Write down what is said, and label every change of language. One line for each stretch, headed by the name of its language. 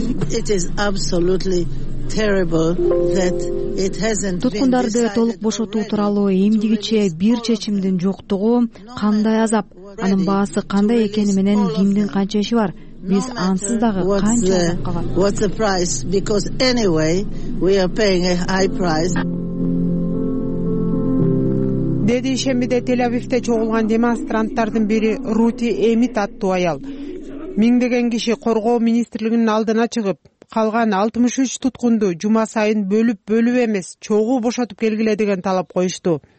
English: It is absolutely terrible that it hasn't
Kyrgyz: туткундарды толук бошотуу туралуу эмгигиче бир чечимдин жоктугу кандай азап, анын баасы кандай экени менен кимдин канча иши бар? Биз ансыз дагы канча азапка
English: What's the price? Because anyway, we are paying a high price.
Kyrgyz: Деди ишембиде Тель-Авивде чогулган демонстранттардын бири Рути Эмит аттуу аял. Миңдеген киши коргоо министрлигинин алдына чыгып, калган 63 туткунду жума сайын бөлүп-бөлүп эмес, чогуу бошотуп келгиле деген талап коюшту.